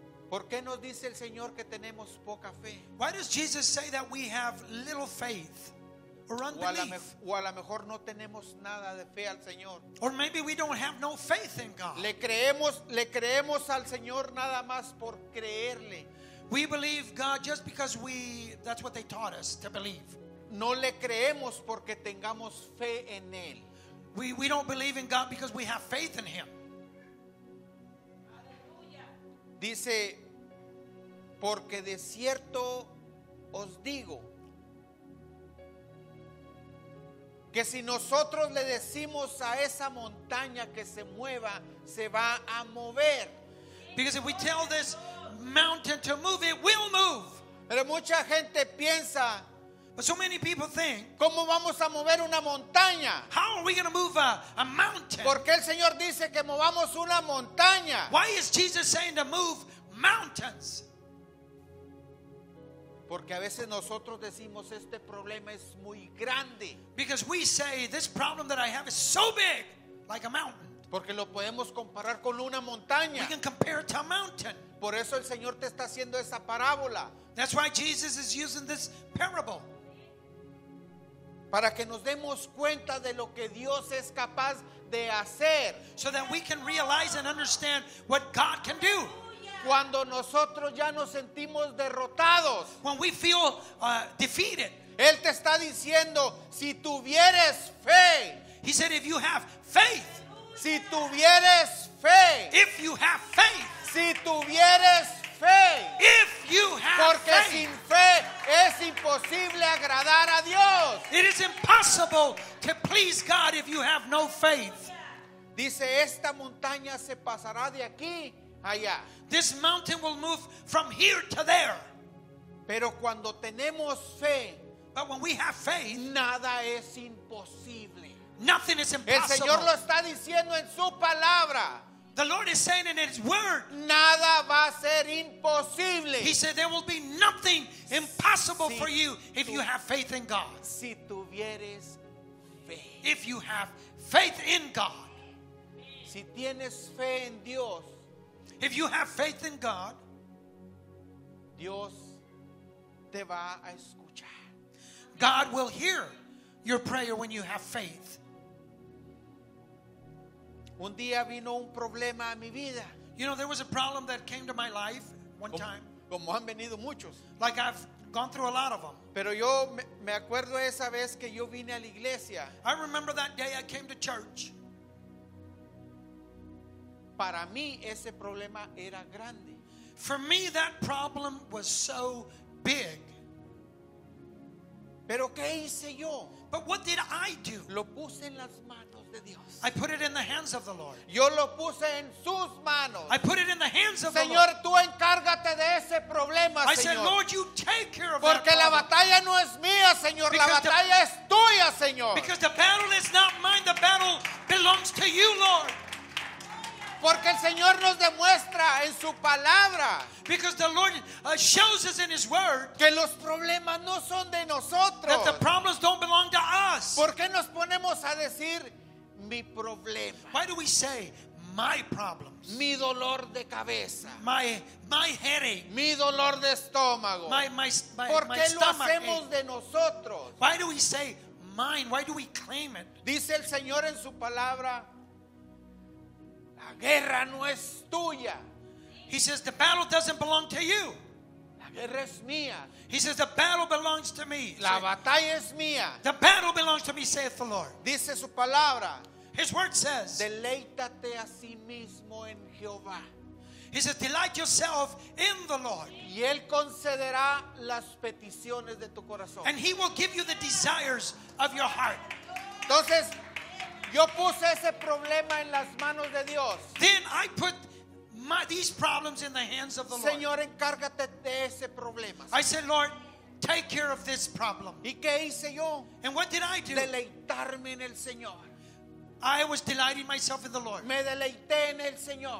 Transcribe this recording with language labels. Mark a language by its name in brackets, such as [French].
[Spanish] ¿Por qué nos dice el Señor que tenemos poca fe? [English] Why does Jesus say that we have little faith or unbelief? [Spanish] O a lo mejor no tenemos nada de fe al Señor. [English] Or maybe we don't have no faith in God. [Spanish] Le creemos al Señor nada más por creerle. [English] We believe God just because that's what they taught us to believe. [Spanish] No le creemos porque tengamos fe en él. [English] We don't believe in God because we have faith in him. [Spanish] Dice, porque de cierto os digo que si nosotros le decimos a esa montaña que se mueva, se va a mover. [English] Because if we tell this mountain to move, it will move. [Spanish] Pero mucha gente piensa, [English] but so many people think, [Spanish] ¿cómo vamos a mover una montaña? [English] How are we going to move a mountain? [Spanish] ¿Por qué el Señor dice que movamos una montaña? [English] Why is Jesus saying to move mountains? [Spanish] Porque a veces nosotros decimos, este problema es muy grande. [English] Because we say, this problem that I have is so big, like a mountain. [Spanish] Porque lo podemos comparar con una montaña. [English] We can compare it to a mountain. [Spanish] Por eso el Señor te está haciendo esa parábola. [English] That's why Jesus is using this parable. [Spanish] Para que nos demos cuenta de lo que Dios es capaz de hacer. [English] So that we can realize and understand what God can do. [Spanish] Cuando nosotros ya nos sentimos derrotados. [English] When we feel defeated. [Spanish] Él te está diciendo, si tuvieres fe. [English] He said, if you have faith. [Spanish] Si tuvieres fe. [English] If you have faith. [Spanish] Si tuvieres fe. [English] If you have [Spanish] porque [English] faith. [Spanish] Porque sin fe es imposible agradar a Dios. [English] It is impossible to please God if you have no faith. [Spanish] Dice, esta montaña se pasará de aquí allá. [English] This mountain will move from here to there. [Spanish] Pero cuando tenemos fe, [English] but when we have faith, [Spanish] nada es imposible. [English] Nothing is impossible. [Spanish] El Señor lo está diciendo en su palabra. [English] The Lord is saying in His word, [Spanish] nada va a ser imposible. [English] He said there will be nothing impossible for you if you have faith in God. [Spanish] Si tuvieres fe. [English] If you have faith in God. [Spanish] Si tienes fe en Dios. [English] If you have faith in God, [Spanish] Dios te va a escuchar. [English] God will hear your prayer when you have faith. [Spanish] Un día vino un problema a mi vida. [English] You know, there was a problem that came to my life one time. [Spanish] Como han venido muchos. [English] Like I've gone through a lot of them. [Spanish] Pero yo me acuerdo esa vez que yo vine a la iglesia. [English] I remember that day I came to church. [Spanish] Para mí ese problema era grande. [English] For me that problem was so big. [Spanish] Pero ¿qué hice yo? [English] But what did I do? [Spanish] Lo puse en las manos de Dios. [English] I put it in the hands of the Lord. [Spanish] Yo lo puse en sus manos. [English] I put it in the hands of [Spanish] Señor, [English] the Lord. [Spanish] Señor, tú encárgate de ese problema, [English] I I said, Lord, you take care of [Spanish] porque [English] that problem. [Spanish] Porque la batalla no es mía, Señor. [English] Because [Spanish] la batalla es tuya, Señor. [English] Because the battle is not mine. The battle belongs to you, Lord. [Spanish] Porque el Señor nos demuestra en su palabra. [English] Because the Lord shows us in His word. [Spanish] Que los problemas no son de nosotros. [English] That the problems don't belong to us. [Spanish] ¿Por qué nos ponemos a decir mi problema? [English] Why do we say my problems? [Spanish] Mi dolor de cabeza. [English] My headache. [Spanish] Mi dolor de estómago. [English] My [Spanish] ¿por qué [English] my [Spanish] lo hacemos [English] ache? [Spanish] De nosotros. [English] Why do we say mine? Why do we claim it? [Spanish] Dice el Señor en su palabra, la guerra no es tuya. [English] He says the battle doesn't belong to you. [Spanish] La guerra es mía. [English] He says the battle belongs to me. [Spanish] La batalla es mía. [English] The battle belongs to me, saith the Lord. [Spanish] Dice su palabra. [English] His word says, [Spanish] deleítate a sí mismo en Jehová. [English] He says, delight yourself in the Lord. [Spanish] Y él concederá las peticiones de tu corazón. [English] And he will give you the desires of your heart. [Spanish] Entonces, yo puse ese problema en las manos de Dios. [English] Then I put these problems in the hands of the Lord. [Spanish] Señor, encárgate de ese problema. [English] I said, Lord, take care of this problem. [Spanish] ¿Y qué hice yo? [English] And what did I do? [Spanish] Deleitarme en el Señor. [English] I was delighting myself in the Lord. [Spanish] Me deleité en el Señor.